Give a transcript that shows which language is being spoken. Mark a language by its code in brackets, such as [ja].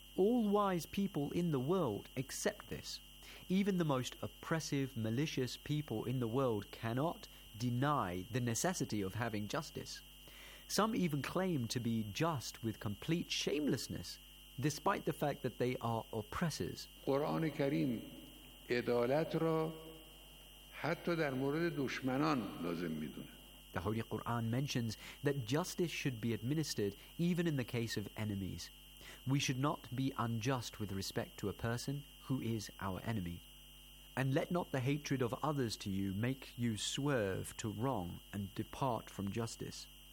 [en] All wise people in the world accept this. Even the most oppressive, malicious people in the world cannot deny the necessity of having justice. Some even claim to be just with complete shamelessness, despite the fact that they are oppressors. [fa] قرآن کریم عدالت را حتی در مورد دشمنان لازم میدونه. [en] The Holy Quran mentions that justice should be administered even in the case of enemies. We should not be unjust with respect to a person who is our enemy. And let not the hatred of others to you make you swerve to wrong and depart from justice.